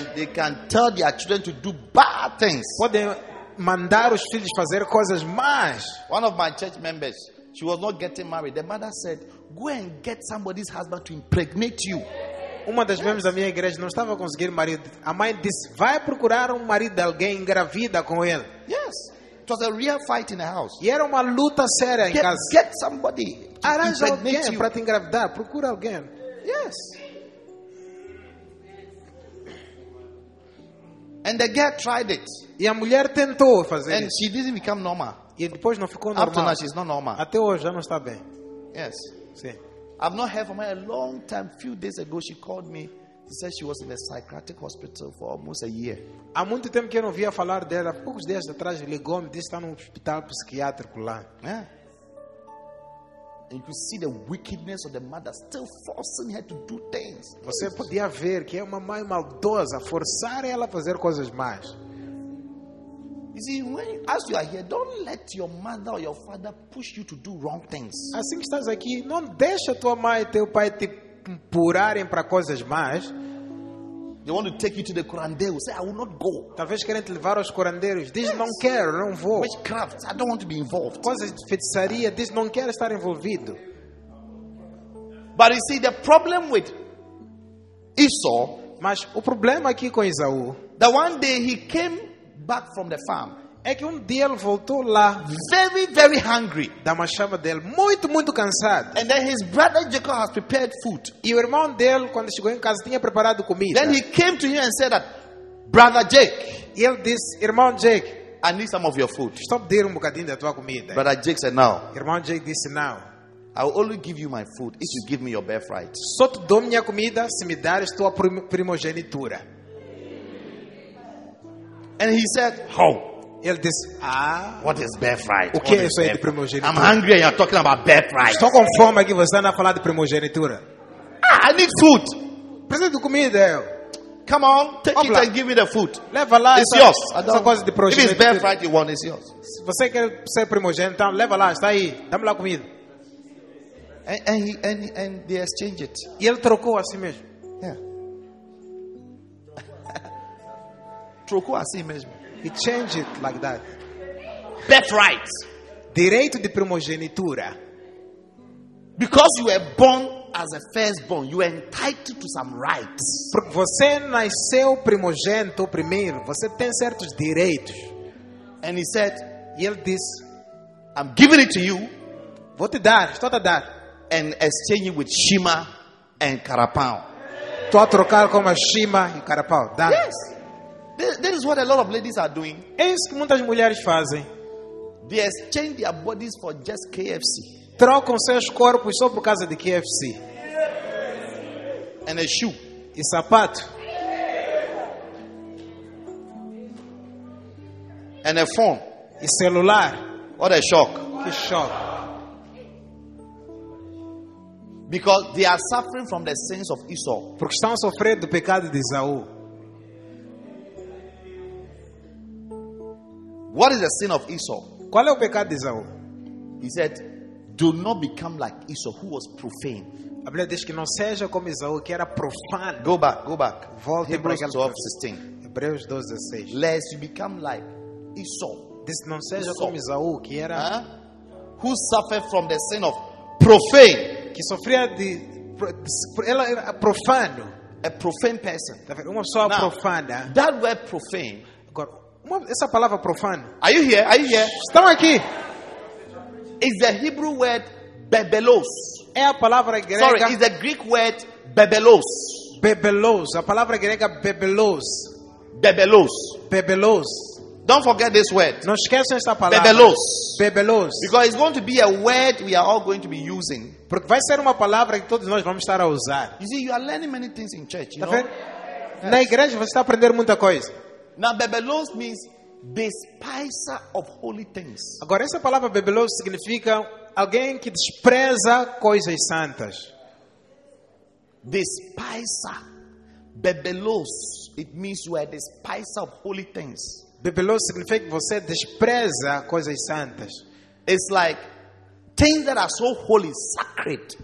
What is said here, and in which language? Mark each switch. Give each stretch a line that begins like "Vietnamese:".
English: They can tell their children to do bad things.
Portuguese: Podem mandar os filhos fazer coisas más.
English: One of my church members, she was not getting married. The mother said, "Go and get somebody's husband to impregnate you."
Portuguese: Uma das membros da minha igreja não estava conseguindo marido. A mãe disse, vai procurar marido de alguém, engravida com ele.
English: Yes. It was a real fight in the house.
Portuguese: E era uma luta séria em casa.
English: Get somebody.
Portuguese: Arranja alguém para te engravidar. Procura alguém.
English: Yes. And the girl tried it.
Portuguese: E a mulher tentou fazer
English: and
Portuguese: isso.
English: And she didn't become normal.
Portuguese: E depois não ficou normal.
English: After now, she's not normal.
Portuguese: Até hoje já não está bem.
English: Yes.
Portuguese: Sim.
English: I've not heard from her a long time. Few days ago, she called me. She said she was in a psychiatric hospital for almost a year.
Portuguese: Há muito tempo que eu não via falar dela. Poucos dias atrás, ligou-me, disse que está no hospital psiquiátrico lá.
English: Yeah. And you see the wickedness of the mother still forcing her to do things.
Portuguese: Você podia ver que é uma mãe maldosa forçar ela a fazer coisas más.
English: You see, when, as you are here, don't let your mother or your father push you to do wrong things.
Portuguese: Assim que estás aqui, não deixa tua mãe e teu pai te empurrarem para coisas más.
English: They want to take you to the curandeiro. Say, I will not go.
Portuguese: Talvez querem te levar aos curandeiros. Diz,
English: yes.
Portuguese: Não quero, não vou.
English: Witchcraft, I don't want to be involved.
Portuguese: Coisas de feitiçaria. Diz, não quero estar envolvido.
English: But you see, the problem with Esau.
Portuguese: Mas o problema aqui com Esaú.
English: The one day he came back from the farm.
Portuguese: É que dia ele voltou lá.
English: Very, very hungry.
Portuguese: Da uma chama dele. Muito, muito cansado.
English: And then his brother Jacob has prepared food.
Portuguese: E o irmão dele, quando chegou em casa, tinha preparado comida.
English: Then he came to him and said that, brother Jake.
Portuguese: E ele disse, irmão Jake,
English: I need some of your food. Stop
Portuguese: dando um bocadinho da tua comida.
English: Brother Jake said, now.
Portuguese: Irmão Jake disse,
English: now. I will only give you my food if you give me your birthright.
Portuguese: Só te dou minha comida se me dares tua primogenitura.
English: And he said, how?
Portuguese: Ele disse,
English: what is birthright?
Portuguese: O que é isso aí de primogenitura?
English: I'm hungry and you're talking about birthright.
Portuguese: Estou com fome aqui, você anda a falar de primogenitura.
English: Ah, I need food.
Portuguese: Precisa de comida.
English: Come on, take it and give me the food.
Portuguese: Leva lá.
English: It's yours.
Portuguese: Essa coisa de primogenitura.
English: If it's birthright you want, it's yours.
Portuguese: Se você quer ser primogênito, então leva lá, está aí. Dá-me lá comida.
English: And they exchange it.
Portuguese: E ele trocou assim mesmo.
English: Yeah.
Portuguese: Trocou assim mesmo.
English: He changed it like that. Birthright.
Portuguese: Direito de primogenitura.
English: Because you were born as a firstborn, you are entitled to some rights.
Portuguese: Porque você nasceu primogênito primeiro, você tem certos direitos.
English: And he said,
Portuguese: ele disse,
English: I'm giving it to you.
Portuguese: Vou te dar, estou a dar.
English: And exchange it with Shima and Carapau.
Portuguese: Estou a trocar com a Shima e Carapau.
English: Yes. This is what a lot of ladies are doing.
Portuguese: É isso que muitas mulheres fazem.
English: They exchange their bodies for just KFC.
Portuguese: Trocam seus corpos só por causa de KFC.
English: And a shoe.
Portuguese: E sapato.
English: And a phone.
Portuguese: E celular.
English: What a shock.
Portuguese: Que shock.
English: Because they are suffering from the sins of Esau.
Portuguese: Porque estão sofrendo do pecado de Esaú.
English: What is the sin of Esau?
Portuguese: Qual é o pecado de Esau?
English: He said, do not become like Esau, who was profane.
Portuguese: A Bíblia diz que não seja como Esau, que era profano.
English: Go back.
Portuguese: Volte
English: Hebrews 12:16.
Portuguese: Hebreus 12:16.
English: Lest you become like Esau.
Portuguese: Diz, não seja como Esau, que era...
English: Who suffered from the sin of profane.
Portuguese: Que sofria de... Ela era profano.
English: A profane person.
Portuguese: Uma pessoa
English: now,
Portuguese: profana.
English: That word profane...
Portuguese: Essa palavra profana.
English: Are you here? Are you here?
Portuguese: Estão aqui.
English: It's the Hebrew word bebelos.
Portuguese: É a palavra grega.
English: Sorry, it's the Greek word bebelos.
Portuguese: Bebelos. A palavra grega bebelos. Bebelos. Bebelos.
English: Don't forget this word.
Portuguese: Não esqueça esta palavra.
English: Bebelos.
Portuguese: Bebelos.
English: Because it's going to be a word we are all going to be using.
Portuguese: Porque vai ser uma palavra que todos nós vamos estar a usar.
English: You see, you are learning many things in church. You know? Yes.
Portuguese: Na igreja você está aprendendo muita coisa.
English: Now, bebelos means despiser of holy things.
Portuguese: Agora, essa palavra bebelos significa alguém que despreza coisas santas.
English: Despiser. Bebelos. It means you are despiser of holy things.
Portuguese: Bebelos significa que você despreza coisas santas.
English: It's like things that are so holy, sacred.